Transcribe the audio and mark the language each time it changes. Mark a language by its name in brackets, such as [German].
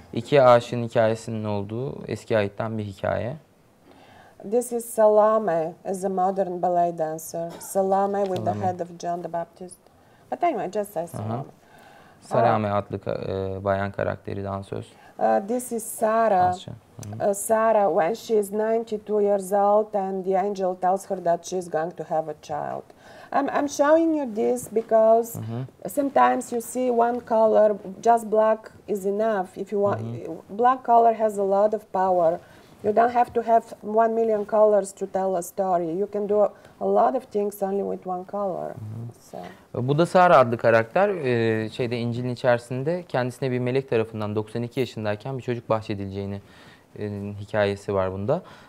[Turkish] İki aşığın hikayesinin olduğu Eski Ahit'ten bir hikaye. [English] This is Salome as a modern ballet dancer. Salome with the head of John the Baptist. But anyway, just say Salome. [Turkish] Salome adlı bayan karakteri dansöz. [English] This is Sarah. Sarah, when she is 92 years old and the angel tells her that she is going to have a child. I'm showing you this because sometimes you see one color, just black is enough. If you want, black color has a lot of power. You don't have to have 1 million colors to tell a story. You can do a lot of things only with one color. So. [Turkish] Bu da Sarah adlı karakter, şeyde İncil'in içerisinde kendisine bir melek tarafından 92 yaşındayken bir çocuk bahşedileceğini hikayesi var bunda.